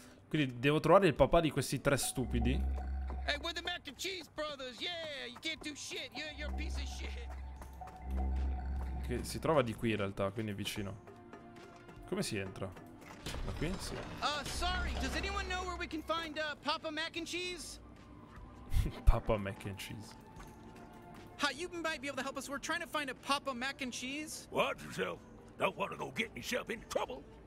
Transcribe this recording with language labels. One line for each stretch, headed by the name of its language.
Italian: Quindi devo trovare il papà di questi tre stupidi.
English: Hey, we're the Mac and Cheese brothers, yeah! You can't do shit, you're a piece of shit.
Italian: Che si trova di qui in realtà, quindi è vicino. Come si entra? Ma qui? Sì.
English: Sorry, does anyone know where we can find Papa Mac and Cheese? Papa Mac and Cheese. Ha, you might be able to help us. We're trying to find a Papa Mac and Cheese. Watch yourself. Don't want to go get yourself in trouble.